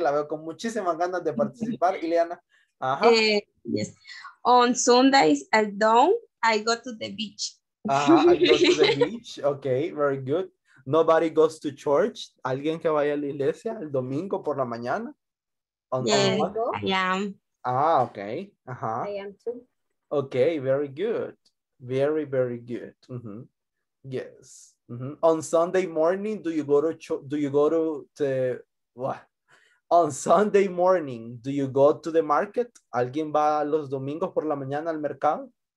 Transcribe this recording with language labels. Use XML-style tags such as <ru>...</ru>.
<es>La veo con muchísimas ganas de participar, Ileana. Ajá.</es> <en>Yes. On Sundays at dawn, I go to the beach. Ajá, I go to the beach. Okay, very good. Nobody goes to church.</en> <es>¿Alguien que vaya a la iglesia el domingo por la mañana?</es> <en>Yes, I am. Ah, okay. Ajá. I am too. Okay, very good. Very, very good. Mm-hmm. Yes. Mm-hmm. On Sunday morning, on Sunday morning, do you go to the market?</en> <es>¿Alguien va los domingos por la mañana al mercado?</es>